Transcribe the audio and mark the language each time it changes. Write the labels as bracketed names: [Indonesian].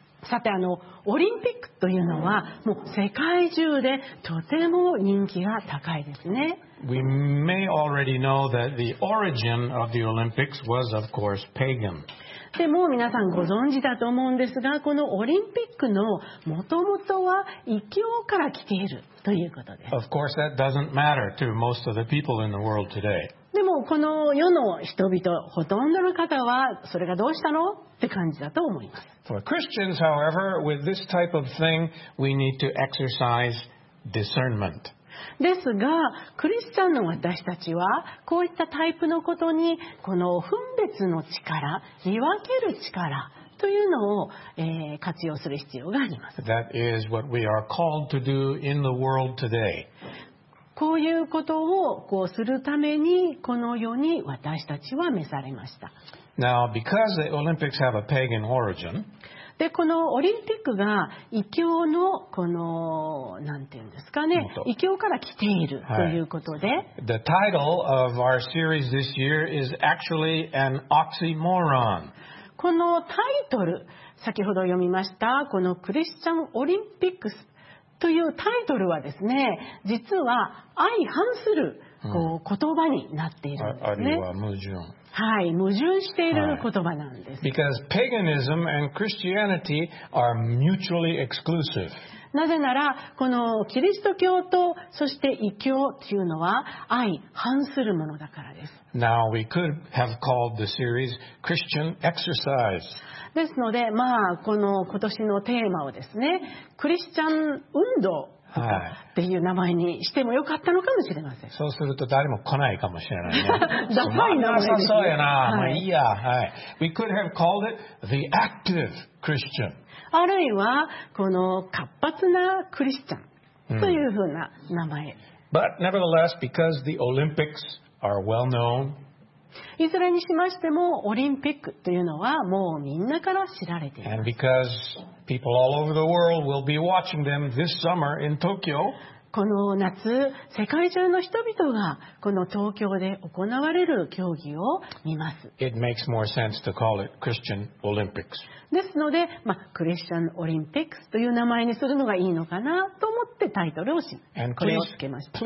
[Japanese] さて、オリンピックというのはもう世界中でとても人気が高いですね。 [English] We may already know that the origin of the Olympics was, of course, pagan. [Japanese] でも皆さんご存知だと思うんですが、このオリンピックのもともとは異教から来ているということです。 [English] Of course, that doesn't matter to most of the people in the world today. [Japanese] でもこの世の人々ほとんどの方はそれがどうしたのって感じだと思います。 [English] For Christians, however, with this type of thing, we need to exercise discernment. [Japanese] ですが、クリスチャンの私たちはこういったタイプのことにこの分別の力、見分ける力というのを、活用する必要があります。 [English] That is what we are called to do in the world today. [Japanese] こういうことをこうするためにこの世に私たちは召されました。 [English] Now, because the Olympics have a pagan origin, [Japanese] でこのオリンピックが異教のこのなんていうんですかね、異教から来ているということで、はい、 [English] The title of our series this year is actually an oxymoron. [Japanese] このタイトル、先ほど読みましたこのクリスチャンオリンピックスというタイトルはですね、実は相反するこう言葉になっているんですね。あるいは矛盾。はい、矛盾している言葉なんです。はい、 [English] Because paganism and Christianity are mutually exclusive. [Japanese] なぜなら、このキリスト教とそして異教というのは相反するものだからです。 [English] Now we could have called the series Christian Exercise. [Japanese] ですので、まあ、この今年のテーマをですね、クリスチャン運動っていう名前にしてもよかったのかもしれません。はい、そうすると誰も来ないかもしれないね。ダサい名前ですね。そうやな、はい、まあいいや、はい。 [English] We could have called it the active Christian. [Japanese] あるいは、この活発なクリスチャンというふうな名前。 [English] But nevertheless, because the Olympics are well known, [Japanese] いずれにしましてもオリンピックというのはもうみんなから知られています。 [English] And because people all over the world will be watching them this summer in Tokyo. [Japanese] この夏、世界中の人々がこの東京で行われる競技を見ます。 [English] It makes more sense to call it Christian Olympics. [Japanese] ですので、まあ、クリスチャンオリンピックスという名前にするのがいいのかなと思ってタイトルをし、これをつけました。